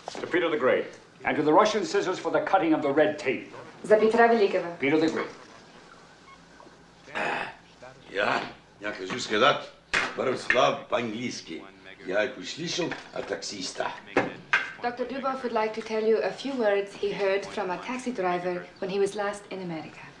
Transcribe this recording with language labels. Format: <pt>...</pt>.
<en>Peter the Great, and to the Russian scissors for the cutting of the red tape.</en> <ru>За Петра Великого.</ru> <en>Peter the Great.</en> <ru>Я не хочу сказать пару слов по-английски. Я их услышал от таксиста.</ru> <en>Dr. Dubov would like to tell you a few words he heard from a taxi driver when he was last in America.</en>